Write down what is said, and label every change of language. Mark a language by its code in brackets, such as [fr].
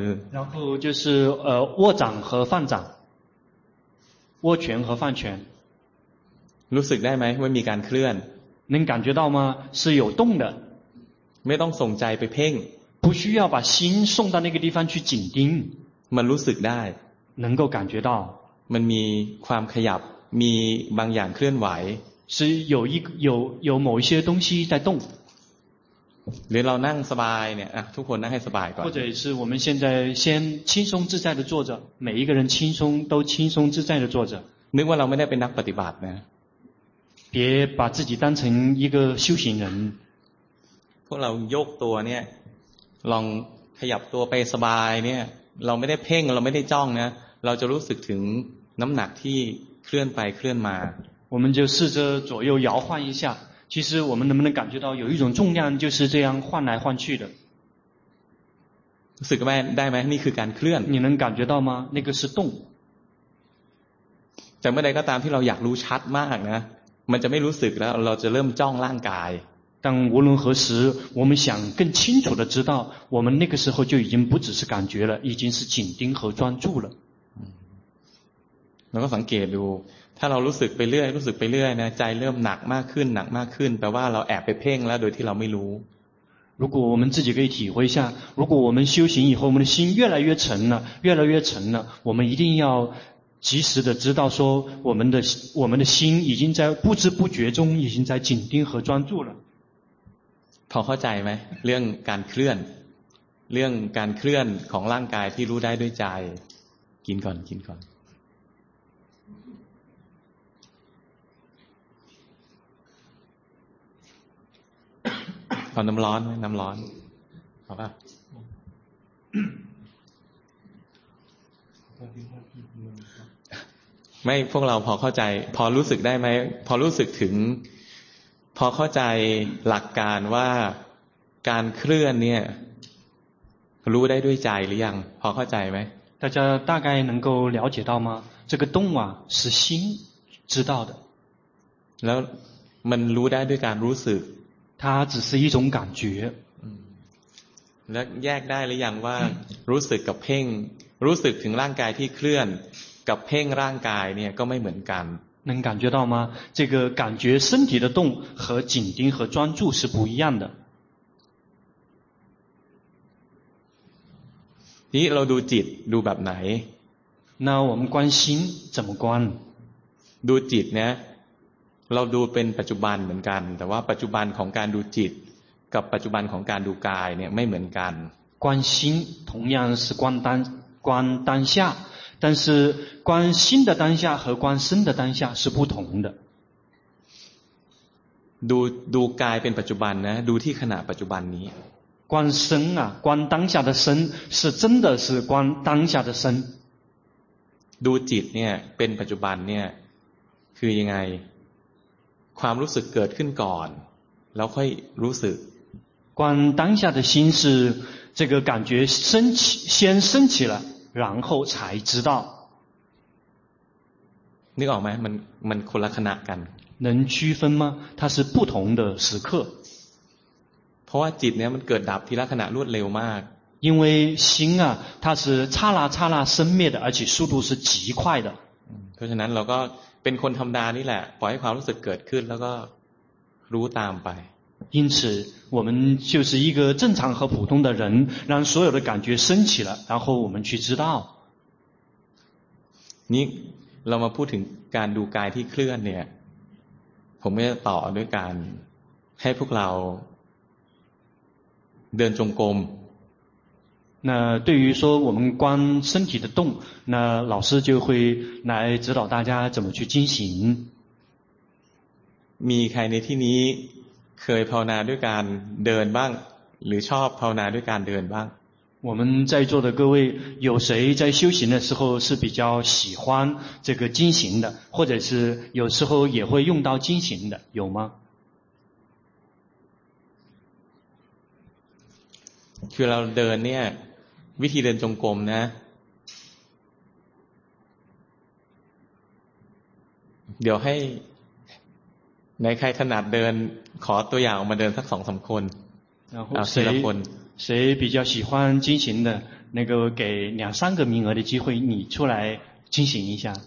[zh] 然后就是握掌和放掌握拳和放拳 [th] รู้สึกได้ไหมไม่มีการเคลื่อน [zh] 能感觉到吗是有动的 [th] ไม่ต้องส่งใจไปเพ่ง [zh] 不需要把心送到那个地方去紧盯 [th] มันรู้สึกได้ [zh] 能够感觉到 [th] มันมีความขยับมีบางอย่างเคลื่อนไหว [zh] 是有一个有有某一些东西在动。 [th] หรือเรานั่งสบายเนี่ยอ่ะทุกคนนั่งให้สบายก่อน [zh] 或者是我们现在先轻松自在的坐着每一个人轻松都轻松自在的坐着 [th] นึกว่าเราไม่ได้เป็นนักปฏิบัตินะ [zh] 别把自己当成一个修行人 [th] พวกเรายกตัวเนี่ยลองขยับตัวไปสบายเนี่ยเราไม่ได้เพ่งเราไม่ได้จ้องนะเราจะรู้สึกถึงน้ำหนักที่เคลื่อนไปเคลื่อนมา [zh] 我们就试着左右摇晃一下其实我们能不能感觉到有一种重量就是这样换来换去的 [th] สึกไหมได้ไหมนี่คือการเคลื่อน [zh] 你能感觉到吗那个是动 [th] แต่เมื่อใดก็ตามที่เราอยากรู้ชัดมากนะมันจะไม่รู้สึกแล้วเราจะเริ่มจ้องร่างกาย [zh] 但无论何时我们想更清楚的知道我们那个时候就已经不只是感觉了已经是紧盯和专注了 [th] แล้วก็สังเกตดูถ้าเรารู้สึกไปเรื่อยรู้สึกไปเรื่อยนะใจเริ่มหนักมากขึ้นหนักมากขึ้นแปลว่าเราแอบไปเพ่งแล้วโดยที่เราไม่รู้ [zh] 如果我们自己可以体会一下如果我们修行以后我们的心越来越沉了越来越沉了我们一定要及时的知道说我们的心已经在不知不觉中已经在紧盯和专注了 [th] พอเข้าใจไหมเรื่องการเคลื่อนเรื่องการเคลื่อนของร่างกายที่รู้ได้ด้วยใจกินก่อนกินก่อน เอาน้ำร้อนไหมน้ำร้อนเอาป่ะไม่พวกเราพอเข้าใจพอรู้สึกได้ไหมพอรู้สึกถึงพอเข้าใจหลักการว่าการเคลื่อนเนี่ยรู้ได้ด้วยใจหรือยังพอเข้าใจไหม [zh] 大家大概能够了解到吗这个动啊是心知道的 [th] แล้วมันรู้ได้ด้วยการรู้สึก [zh] 它只是一种感觉 [th] แล้วแยกได้หรือยังว่ารู้สึกกับเพ่งรู้สึกถึงร่างกายที่เคลื่อนกับเพ่งร่างกายเนี่ยก็ไม่เหมือนกัน [zh] 能感觉到吗这个感觉身体的动和紧盯和专注是不一样的 [th] นี่เราดูจิตดูแบบไหน [zh] 那我们观心怎么观 [th] ดูจิตเนี่ยเราดูเป็นปัจจุบันเหมือนกันแต่ว่าปัจจุบันของการดูจิตกับปัจจุบันของการดูกายเนี่ยไม่เหมือนกัน [zh] 观心同样是观当下但是观心的当下和观身的当下是不同的 [th] ดูกายเป็นปัจจุบันนะดูที่ขณะปัจจุบันนี้ [zh] 观身啊观当下的身是真的是观当下的身 [th] ดูจิตเนี่ยเป็นปัจจุบันเนี่ยคือยังไงความรู้สึกเกิดขึ้นก่อนแล้วค่อยรู้สึก [zh] 观当下的心是这个感觉升起先升起了然后才知道 [th] นึกออกไหมมันคนละขณะกัน [zh] 能区分吗它是不同的时刻 [th] เพราะว่าจิตเนี่ยมันเกิดดับทีละขณะรวดเร็วมาก [zh] 因为心啊它是刹那刹那生灭的而且速度是极快的 [th] เพราะฉะนั้นเราก็เป็นคนธรรมดานี่แหละปล่อยให้ความรู้สึกเกิดขึ้นแล้วก็รู้ตามไป [zh] 因此我们就是一个正常和普通的人让所有的感觉升起了然后我们去知道 [th] นี่เรามาพูดถึงการดูกายที่เคลื่อนเนี่ยผมจะต่อด้วยการให้พวกเราเดินจงกรม [zh] 那对于说我们观身体的动那老师就会来指导大家怎么去进行 [th] มีใครในที่นี้เคยภาวนาด้วยการเดินบ้างหรือชอบภาวนาด้วยการเดินบ้าง [zh] 我们在座的各位有谁在修行的时候是比较喜欢这个进行的或者是有时候也会用到进行的有吗 [th] คือเราเดินเนี่ยวิธีเดินจงกรมนะเดี๋ยวให้ในใครถนัดเดินขอตัวอย่างออกมาเดินสักสองสามคน เอาทีละคน [zh] 谁比较喜欢进行的那个给两三个名额的机会你出来进行一下